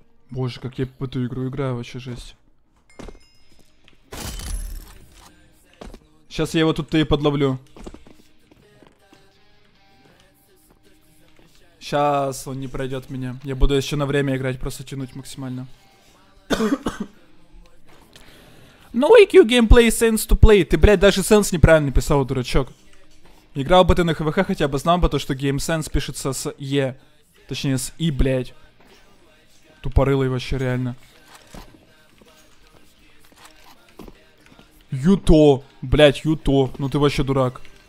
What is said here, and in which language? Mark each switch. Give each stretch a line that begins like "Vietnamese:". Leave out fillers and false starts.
Russian: Боже, как я по эту игру играю, вообще жесть. Сейчас я его тут-то и подловлю. Сейчас он не пройдет меня. Я буду еще на время играть, просто тянуть максимально.
English: No IQ gameplay sense to play.
Russian: Ты, блядь, даже sense неправильно написал, дурачок. Играл бы ты на ХВХ, хотя бы знал бы то, что GameSense пишется с Е. Точнее, с И, блядь. Тупорылый вообще, реально. Юто. Блядь, Юто. Ну ты вообще дурак.